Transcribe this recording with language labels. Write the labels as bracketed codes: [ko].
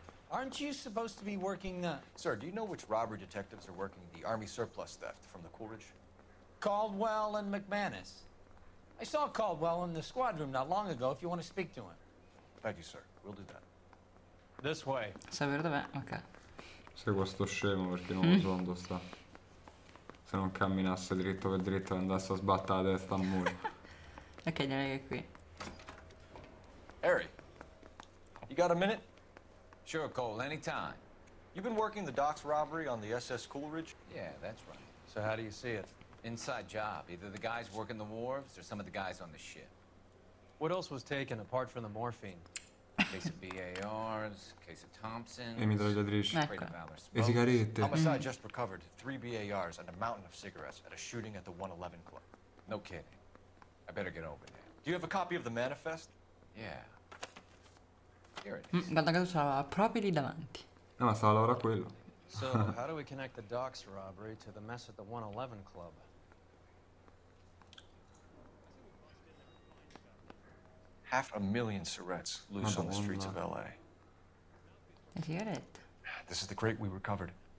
[en] Aren't you supposed to be working the... Sir, do you know which robbery detectives are working the army surplus theft from the Coolidge? Caldwell and McManus. I saw Caldwell in the squad room not long ago, if you want to speak to him. Thank you, sir. We'll do that. This way. [it] Sapere dov'è? Ok. Sei questo scemo perché non lo so dove sta. Se non camminasse dritto per dritto andasse a sbattere la testa al muro. Ok, direi che è qui. [en] Harry, you got a minute? Sure, Cole, anytime. You've been working the docks robbery on the SS Coolidge? Yeah, that's right. So how do you see it? Inside job. Either the guys working the wharves or some of the guys on the ship. What else was taken apart from the morphine? Case of BARs, case of Thompson's. [it] E mitragliatrici. E sigarette. [en] Homicide just recovered 3 BARs and a mountain of cigarettes at a shooting at the 111 Club. No kidding. I better get over there. Do you have a copy of the manifest? Yeah. [it] Guarda che tu ce l'aveva proprio lì davanti. No, ma stava lavorando a quello. [en] So, how do we connect the docks robbery to the mess at the 111 Club? Half a million cigarettes loose on the streets of LA. Is he at it? This is the crate we recovered.